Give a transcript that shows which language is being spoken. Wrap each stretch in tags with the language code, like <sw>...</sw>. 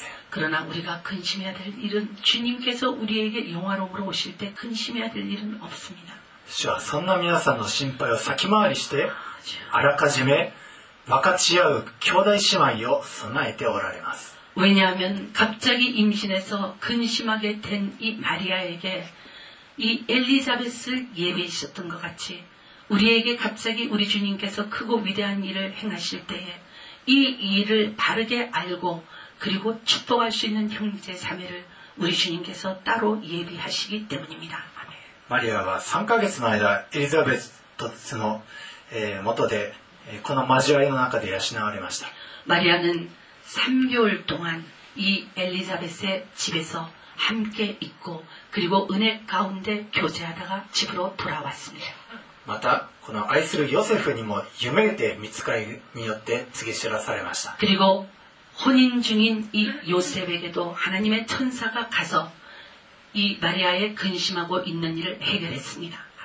<ko>그러나 우리가 근심해야 될 일은 주님께서 우리에게 영화로움으로 오실 때 근심해야 될 일은 없습니다.</ko> <ja>主はそんな皆さんの心配を先回りしてあらかじめ分かち合う兄弟姉妹を備えておられます。</ja> <ko>왜냐하면 갑자기 임신해서 근심하게 된 이 마리아에게 이 엘리자벳을 예비하셨던 것 같이 우리에게 갑자기 우리 주님께서 크고 위대한 일을 행하실 때에 이 일을 바르게 알고 그리고 축복할 수 있는 형제 자매를 우리 주님께서 따로 예비하시기 때문입니다.</ko> <ja>마리아가 3ヶ月の間 엘리자벳의もとでこの交わりの中で養われました。</ja> <ko>마리아는 3개월 동안 이 엘리자벳의 집에서 함께 있고 그리고 은혜 가운데 교제하다가 집으로 돌아왔습니다.</ko> <ja>またこの愛するヨセフにも夢で見つかりによって告げ知らされました。</ja> <ko>그리고 혼인 중인 이 요셉에게도 하나님의 천사가 가서 이 마리아의 근심하고 있는 일을 해결했습니다.</ko>